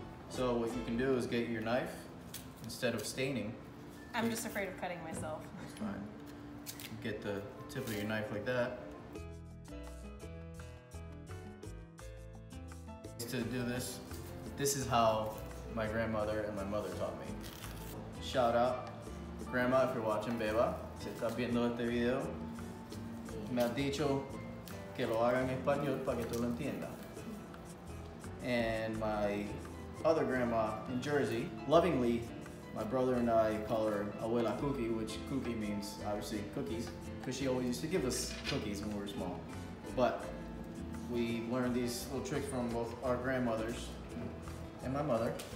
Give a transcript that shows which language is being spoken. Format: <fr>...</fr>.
<en>So what you can do is get your knife instead of staining. I'm just afraid of cutting myself. That's fine. Get the tip of your knife like that. To do this, this is how my grandmother and my mother taught me. Shout out, Grandma, if you're watching,</en> <es>beba, si estás viendo este video, me has dicho que lo haga en español para que tú lo entiendas.</es> <en>And my other grandma in Jersey, lovingly, my brother and I call her Abuela Cookie, which cookie means obviously cookies, because she always used to give us cookies when we were small. But we learned these little tricks from both our grandmothers and my mother.</en>